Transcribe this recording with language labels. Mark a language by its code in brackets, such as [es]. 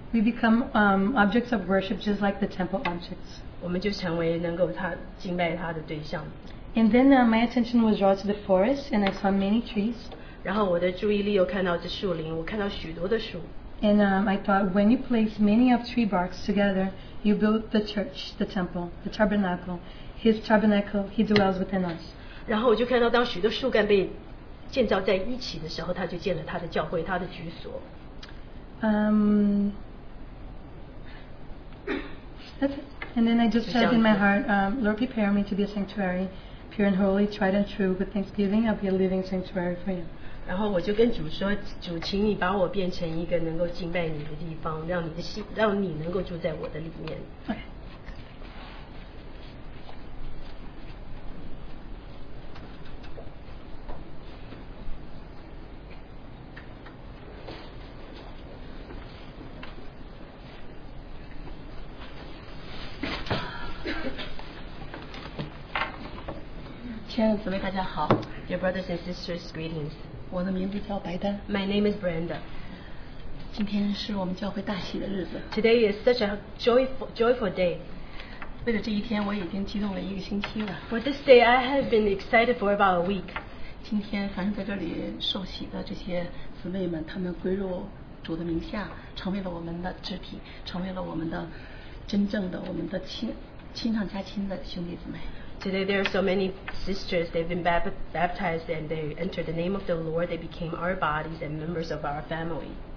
[en] We become objects of worship, just like the temple objects. [zh] 我们就成为能够他敬拜他的对象。 [en] And then my attention was drawn to the forest, and I saw many trees. [zh] 然后我的注意力又看到这树林，我看到许多的树。 [en] And I thought, when you place many of tree barks together, you build the church, the temple, the tabernacle. His tabernacle, He dwells within us. [zh] 然后我就看到，当许多树干被建造在一起的时候，他就建了他的教会，他的居所。 [en] And then I just said in my heart, Lord, prepare me to be a sanctuary, pure and holy, tried and true, with thanksgiving, I'll be a living sanctuary for you. [zh] 然后我就跟主说，主，请你把我变成一个能够敬拜你的地方，让你的心，让你能够住在我的里面。亲爱的姊妹，大家好。 [en] Your brothers and sisters, greetings. [zh] 我的名字叫白丹。 [en] My name is Brenda. [zh] 今天是我们教会大喜的日子。 [en] Today is such a joyful day. [zh] 为了这一天，我已经激动了一个星期了。 [en] For this day, I have been excited for about a week. [zh] 今天凡是在这里受洗的这些姊妹们，她们归入主的名下，成为了我们的肢体，成为了我们的真正的我们的亲上加亲的兄弟姊妹。 [en] Today there are so many sisters, they've been baptized and they entered the name of the Lord, they became our bodies and members of our family.